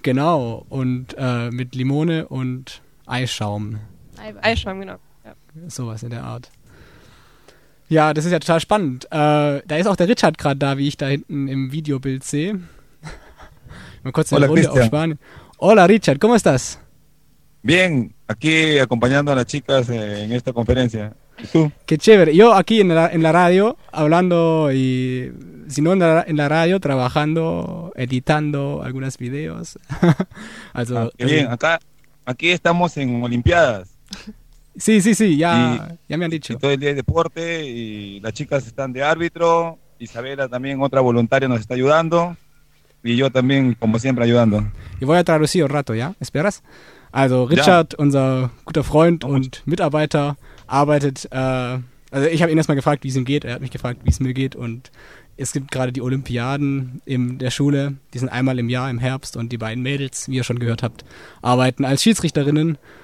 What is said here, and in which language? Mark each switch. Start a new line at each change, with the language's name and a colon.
German: Genau, und mit Limone und Eischaum. Eischaum, genau. Ja. Sowas in der Art. Ja, das ist ja total spannend. Da ist auch der Richard gerade da, wie ich da hinten im Videobild sehe. Mal kurz eine Runde auf Spanien.
Spanish: Hola Richard, ¿cómo estás? Bien, aquí acompañando a las chicas en esta conferencia. ¿Tú? Qué chévere. Yo aquí en la radio, hablando y si no en la radio, trabajando, editando algunos videos.
German: Also,
Spanish: bien, aquí estamos en Olimpiadas. Sí, ya me han dicho. Y todo el día de deporte y las chicas están de árbitro. Isabela también, otra voluntaria, nos está ayudando. Y yo también, como siempre, ayudando. Y voy a traducir un rato, ¿ya? ¿Esperas?
German: Also, Richard, ja. Unser guter Freund und Mitarbeiter, arbeitet. Also, ich habe ihn erstmal gefragt, wie es ihm geht. Er hat mich gefragt, wie es mir geht. Und es gibt gerade die Olympiaden in der Schule. Die sind einmal im Jahr im Herbst. Und die beiden Mädels, wie ihr schon gehört habt, arbeiten als Schiedsrichterinnen.